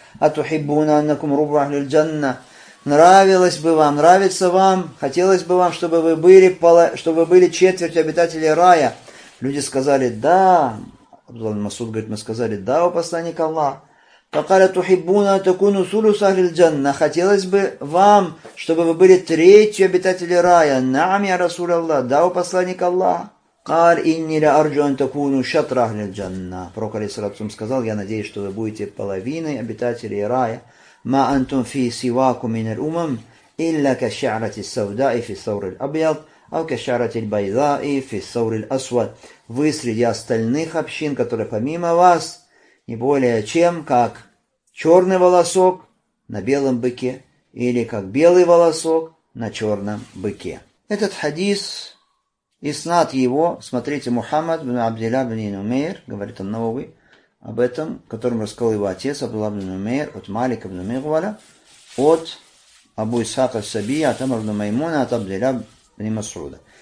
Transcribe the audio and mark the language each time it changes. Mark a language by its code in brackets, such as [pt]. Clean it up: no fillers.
[ar] Атухиббуна аннакум рубахлил джанна. [ru] Нравилось бы вам, нравится вам, хотелось бы вам, чтобы вы были четверть обитателей рая. Люди сказали, да. Абдулла ибн Масуд говорит, мы сказали, да, о посланник Аллах. [ar] Факаля тухиббуна такуну сулюса ахлил джанна. [ru] Хотелось бы вам, чтобы вы были третью обитателей рая. [ar] Наам я расул Аллах, [ru] да, о посланник Аллах. [ar] قال إني لا أرجو أن تكونوا شطر أهل الجنة. [ru] Пророк алейхиссалям сказал, я надеюсь, что вы будете половиной обитателей рая. [ar] ما أنتم في سواكم من الأمم إلا كشعرة السوداء في الثور الأبيض أو كشعرة البيضاء في الثور الأسود. [ru] Вы среди остальных общин, которые помимо вас, не более чем как черный волосок на белом быке или как белый волосок на черном быке. Этот хадис Иснат его, смотрите, Мухаммад бин Абдилла бин Нумейр, говорит Ан-Науви, об этом, которым рассказал его отец, Абдулла бин Нумейр, от Малика бин Мигваля, от Абу Исхака Сабия, от Амар бин Маймуна, от Абдилла бин Масуда.